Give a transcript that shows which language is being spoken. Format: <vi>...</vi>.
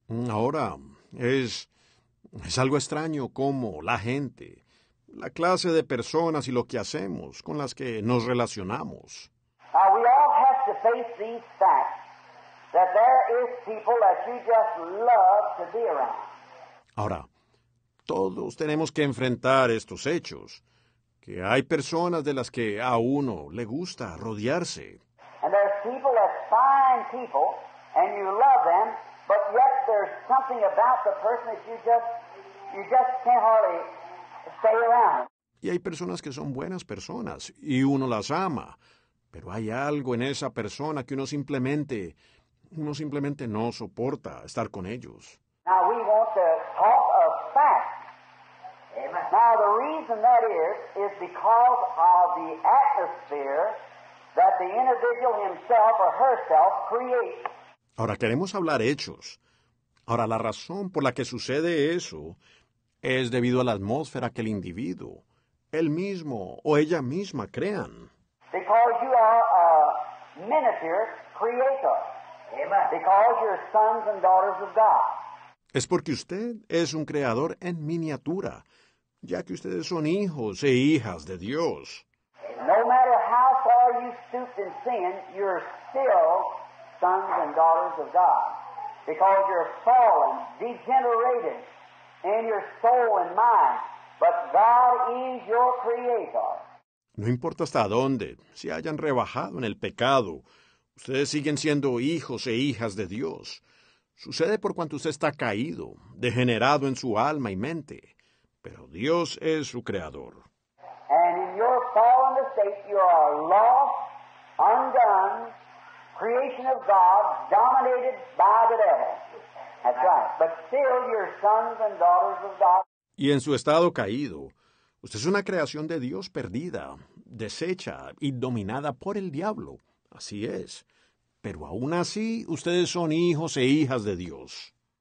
<es>Ahora, es algo extraño cómo la gente, la clase de personas y lo que hacemos con las que nos relacionamos.</es> <en>Now, we all have to face these facts. That there is people that you just love to be around.</en> <es>Ahora, todos tenemos que enfrentar estos hechos, que hay personas de las que a uno le gusta rodearse.</es> <en>And there's people that fine people, and you love them, but yet there's something about the person that you just can't hardly stay around.</en> <es>Y hay personas que son buenas personas, y uno las ama, pero hay algo en esa persona que uno simplemente no soporta estar con ellos.</es> <en>Now we want to talk of facts. Amen. Now the reason that is because of the atmosphere that the individual himself or herself creates.</en> <es>Ahora queremos hablar hechos. Ahora la razón por la que sucede eso es debido a la atmósfera que el individuo, él mismo o ella misma crean.</es> <en>Because you are a miniature creator. Because you're sons and daughters of God.</en> <es>Es porque usted es un creador en miniatura, ya que ustedes son hijos e hijas de Dios.</es> <en>No matter how far you stooped in sin, you're still sons and daughters of God. Because you're fallen, degenerated in your soul and mind, but God is your creator.</en> <es>No importa hasta dónde, si hayan rebajado en el pecado, ustedes siguen siendo hijos e hijas de Dios. Sucede por cuanto usted está caído, degenerado en su alma y mente. Pero Dios es su creador.</es> <en>And in your fallen state, you are lost, undone, creation of God, dominated by the devil. That's right. But still, you're sons and daughters of God.</en> <es>Y en su estado caído, usted es una creación de Dios perdida, deshecha y dominada por el diablo. Así es. Pero aún así, ustedes son hijos e hijas de Dios.</es>